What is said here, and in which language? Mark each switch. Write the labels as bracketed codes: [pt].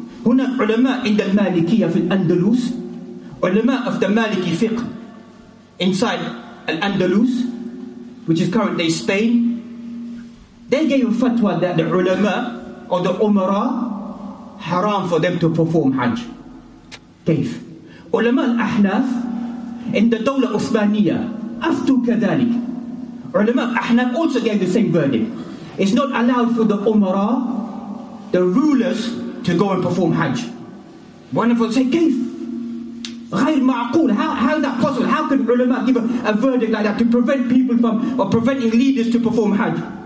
[ar] هنا علماء عند المالكية في الأندلس علماء [en] of the Maliki fiqh inside Al-Andalus, which is current day Spain, they gave a fatwa that the ulama or the umara haram for them to perform hajj. [ar] كيف علماء الأحناف [en] in the [ar] دولة عثمانية أفتوا كذلك. علماء الأحناف [en] also gave the same verdict. It's not allowed for the umara, the rulers, to go and perform hajj. One of them say, [ar] كيف غير معقول, [en] how is that possible? How can ulama give a verdict like that to prevent people from, or preventing leaders to perform hajj?